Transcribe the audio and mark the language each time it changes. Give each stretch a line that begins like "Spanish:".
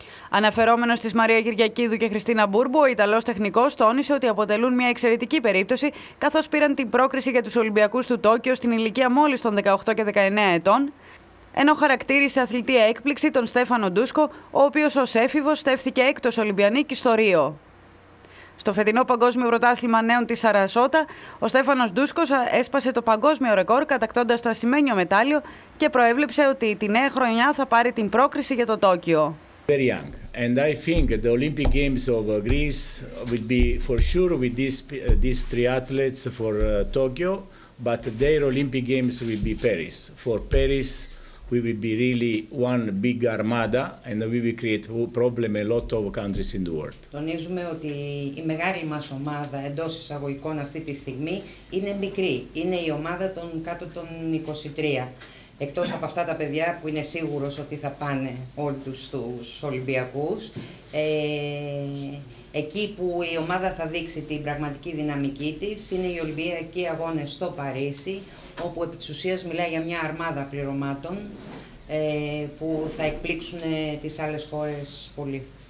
Greek: Αναφερόμενος στις Μαρία Κυριακίδου και Χριστίνα Μπούρμπου, ο Ιταλός τεχνικός τόνισε ότι αποτελούν μια εξαιρετική περίπτωση, καθώς πήραν την πρόκριση για τους Ολυμπιακούς του Τόκιο στην ηλικία μόλις των 18 και 19 ετών, ενώ χαρακτήρισε αθλητή έκπληξη τον Στέφανο Ντούσκο, ο οποίος ως έφηβος στέφθηκε έκτος Ολυμπιανίκη στο Ρίο. Στο φετινό Παγκόσμιο Πρωτάθλημα Νέων της Σαρασότα, ο Στέφανος Ντούσκος έσπασε το παγκόσμιο ρεκόρ κατακτώντας το ασημένιο μετάλλιο και προέβλεψε ότι τη νέα χρονιά θα πάρει την πρόκριση για το Τόκιο.
English: Very young, and I think the Olympic Games of Greece will be for sure with these three athletes for Tokyo, but their Olympic Games will be Paris. For Paris, we will be really one big armada, and we will create problem a lot of countries in the world.
Greek: Τονίζουμε ότι η μεγάλη μας ομάδα εντός εισαγωγικών αυτή τη στιγμή είναι μικρή, είναι η ομάδα των κάτω των 23. Εκτός από αυτά τα παιδιά που είναι σίγουρος ότι θα πάνε όλοι τους Ολυμπιακούς, εκεί που η ομάδα θα δείξει την πραγματική δυναμική της είναι οι Ολυμπιακοί Αγώνες στο Παρίσι, όπου επί της ουσίας μιλάει για μια αρμάδα πληρωμάτων που θα εκπλήξουν τις άλλες χώρες πολύ.